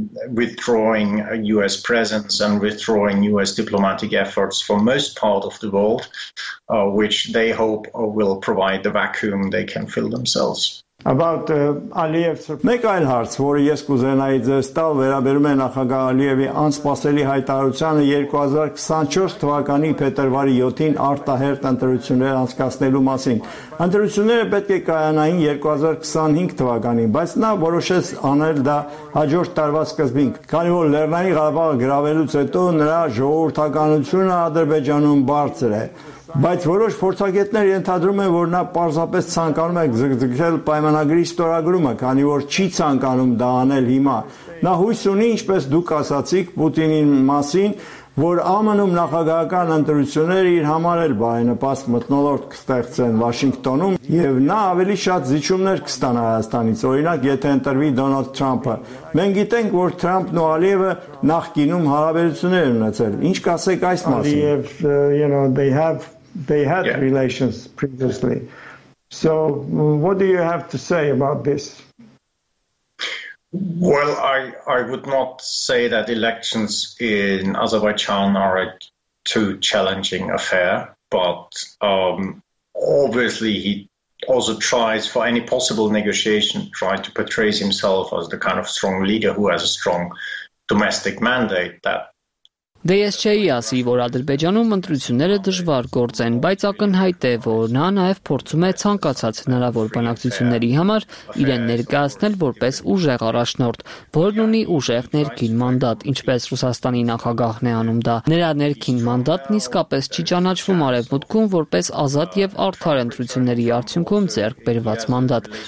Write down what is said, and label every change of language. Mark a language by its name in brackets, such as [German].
[English] Withdrawing US presence and withdrawing US diplomatic efforts from part of the world, which they hope will provide the vacuum they can fill themselves. About Aliyev's... [Armenian] Մեկ այլ հարց, որը ես կուզենայի ձեզ տալ, վերաբերում է նախագահ Ալիևի անսպասելի հայտարարությանը 2024 թվականի փետրվարի 7-ին արտահերտ ընտրություններ անցկացնելու մասին։ Ընտրությունները պետք է կայանային 2025 թվականին, բայց նա որոշեց անել դա հաջորդ տարվա սկզբին, քանի որ Լեռնային Ղարաբաղը գրավելուց հետո նրա ժողովրդականությունը Ադրբեջանում բարձր է։ բայց որոշ փորձագետներ ենթադրում են, որ նա պարզապես ցանկանում է զգձգել պայմանագրի ստորագրումը, քանի որ չի ցանկանում դա անել հիմա։ Նա հույս ունի, ինչպես դուք ասացիք, Պուտինին մասին, որ ԱՄՆ-ում նախագահական ընտրությունները իր համար էլ բարենպաստ մթնոլորտ կստեղծեն Վաշինգտոնում, և նա ավելի շատ զիջումներ կստանա Հայաստանից, օրինակ եթե ընտրվի Դոնալդ Թրամփը։ Մենք գիտենք, որ Թրամփն ու Ալիևը նախկինում հարաբերություններ ունեցել։ Ինչ կասեք այս մասին։ [English] Ալիև, you know, they had relations previously. So what do you have to say about this? Well, I would not say that elections in Azerbaijan are a too challenging affair, but obviously he also tries for any possible negotiation, trying to portray himself as the kind of strong leader who has a strong domestic mandate that [Armenian] Դե ես չէի ասի, որ Ադրբեջանում ընտրությունները դժվար գործ են, բայց ակնհայտ է, որ նա նաև փորձում է ցանկացած հնարավոր բանակցությունների համար իրեն ներկայացնել որպես ուժեղ առաջնորդ, որն ունի ուժեղ ներքին մանդատ, ինչպես Ռուսաստանի նախագահն է անում դա։ Նրա ներքին մանդատն իսկապես չի ճանաչվում Արևմուտքում որպես ազատ և արդար ընտրությունների արդյունքում ձեռք բերված մանդատ։